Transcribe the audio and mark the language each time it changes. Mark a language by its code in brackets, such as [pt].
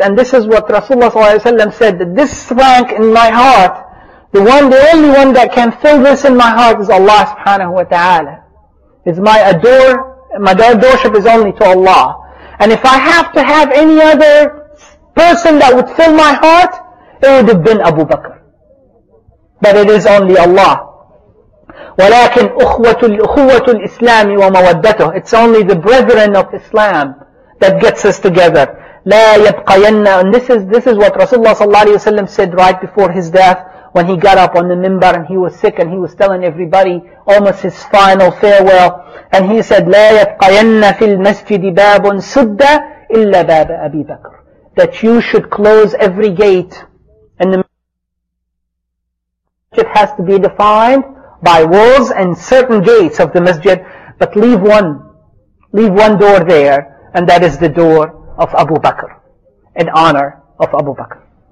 [en] And this is what Rasulullah ﷺ said, that this rank in my heart, the only one that can fill this in my heart is Allah subhanahu wa ta'ala. It's my adorship is only to Allah. And if I have to have any other person that would fill my heart, it would have been Abu Bakr. But it is only Allah. [ar] ولكن أخوة الإسلام ومودته. [en] It's only the brethren of Islam that gets us together. [ar] لا يبقينا. [en] And this is what Rasulullah sallallahu alayhi wa sallam said right before his death, when he got up on the minbar and he was sick and he was telling everybody almost his final farewell. And he said, [ar] لا يبقينا في المسجد باب سد إلا باب أبي بكر. [en] That you should close every gate, and the masjid has to be defined by walls and certain gates of the masjid, but leave one door there, and that is the door of Abu Bakr, in honor of Abu Bakr.